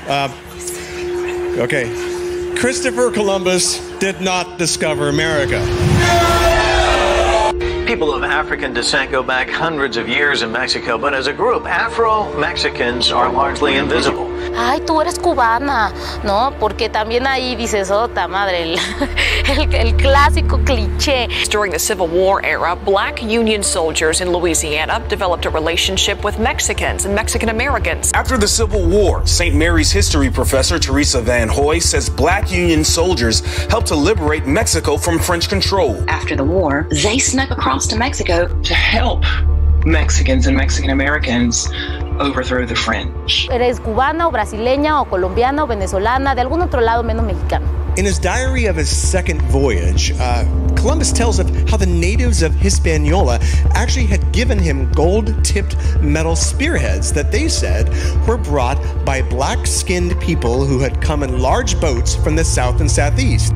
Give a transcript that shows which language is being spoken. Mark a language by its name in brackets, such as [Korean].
[English] Okay. Christopher Columbus did not discover America. People of African descent go back hundreds of years in Mexico, but as a group, Afro-Mexicans are largely invisible. [Spanish] ay, tú eres cubana, ¿no? Porque también ahí dices, oh, ta madre, el clásico cliché. [English] During the Civil War era, black Union soldiers in Louisiana developed a relationship with Mexicans and Mexican Americans. After the Civil War, St. Mary's history professor Teresa Van Hoy says black Union soldiers helped to liberate Mexico from French control. After the war, they snuck across to Mexico to help Mexicans and Mexican Americans overthrow the French. [Spanish] Eres cubana o brasileña o colombiana o venezolana, de algún otro lado menos mexicano. [English] In his diary of his second voyage, Columbus tells of how the natives of Hispaniola actually had given him gold-tipped metal spearheads that they said were brought by black-skinned people who had come in large boats from the south and southeast.